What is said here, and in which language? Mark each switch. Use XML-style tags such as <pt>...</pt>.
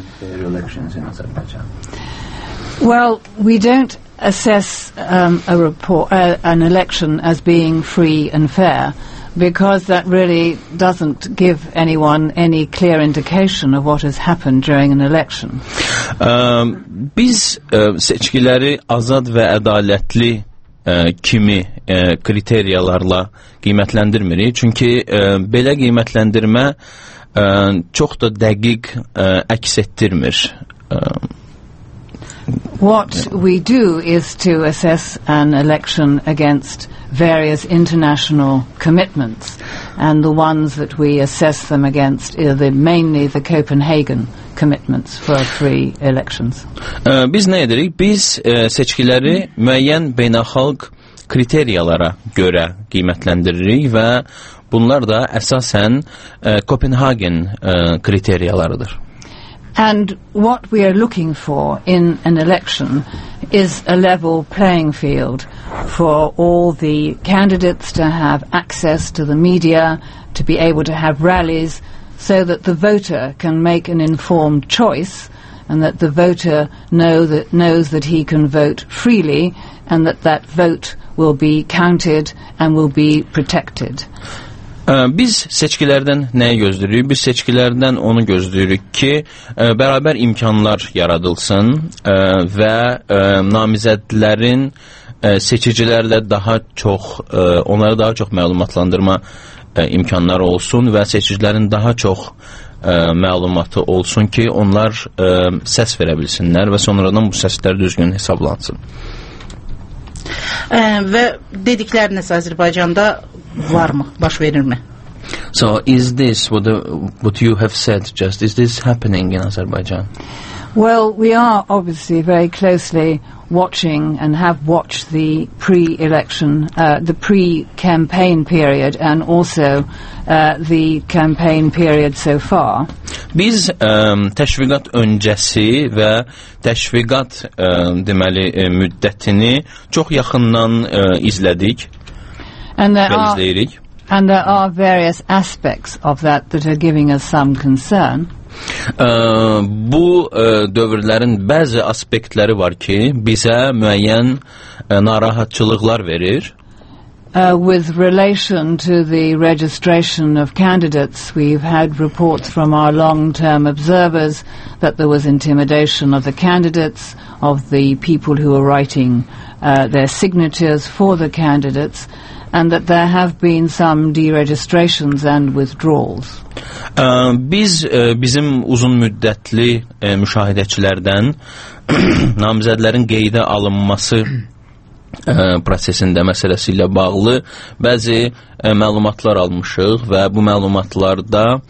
<en>Well, we don't assess a report, an election as being free and fair, because that really doesn't give anyone any clear indication of what has happened during an election.</en> <az>Biz seçkiləri azad və ədalətli kimi kriteriyalarla qiymətləndirmirik, çünki belə qiymətləndirmə çox da dəqiq əks etdirmir.</az> <en>What we do is to assess an election against various international commitments, and the ones that we assess them against are mainly the Copenhagen commitments for free elections.</en> <az>Biz nə edirik? Biz seçkiləri müəyyən beynəlxalq kriteriyalara görə qiymətləndiririk və bunlar da əsasən Copenhagen kriteriyalarıdır.</az> <en>And what we are looking for in an election is a level playing field for all the candidates to have access to the media, to be able to have rallies, so that the voter can make an informed choice and that the voter knows that he can vote freely and that that vote will be counted and will be protected.</en> <az>Biz seçkilərdən nəyi gözləyirik? Biz seçkilərdən onu gözləyirik ki, bərabər imkanlar yaradılsın və namizədlərin seçicilərlə daha çox, onları daha çox məlumatlandırma imkanları olsun və seçicilərin daha çox məlumatı olsun ki, onlar səs verə bilsinlər və sonradan bu səslər düzgün hesablansın. Və dedikləriniz Azərbaycanda var mı, baş verir mi?</az> <en>So is this what you have said just, is this happening in Azerbaijan? Well, we are obviously very closely watching and have watched the pre-election, the pre-campaign period and also the campaign period so far.</en> <az>Biz təşviqat öncəsi və təşviqat deməli müddətini çox yaxından izlədik.</az> <en>And there are various aspects of that that are giving us some concern.</en> <az>Bu dövrlərin bəzi aspektləri var ki, bizə müəyyən narahatçılıqlar verir.</az> <en>With relation to the registration of candidates, we've had reports from our long-term observers that there was intimidation of the candidates, of the people who were writing their signatures for the candidates, and that there have been some deregistrations and withdrawals.</en> <az>Biz bizim uzun müddətli müşahidəçilərdən namizədlərin qeydə alınması prosesində məsələsi ilə bağlı bəzi məlumatlar almışıq və bu məlumatlarda</az>